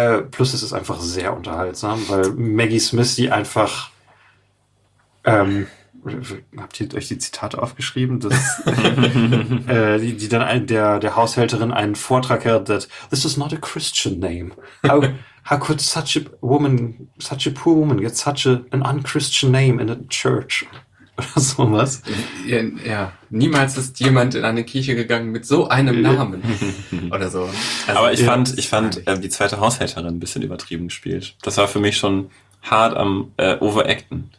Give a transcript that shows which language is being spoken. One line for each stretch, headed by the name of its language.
German: Plus es ist einfach sehr unterhaltsam, weil Maggie Smith die einfach habt ihr euch die Zitate aufgeschrieben, dass die dann der Haushälterin einen Vortrag hält,
English: that this is not a Christian name. How could such a poor woman get such an unchristian name in a church?
German: Oder sowas. Ja, niemals ist jemand in eine Kirche gegangen mit so einem Namen. Oder so. Also, aber ich fand die zweite Haushälterin ein bisschen übertrieben gespielt. Das war für mich schon hart am overacten.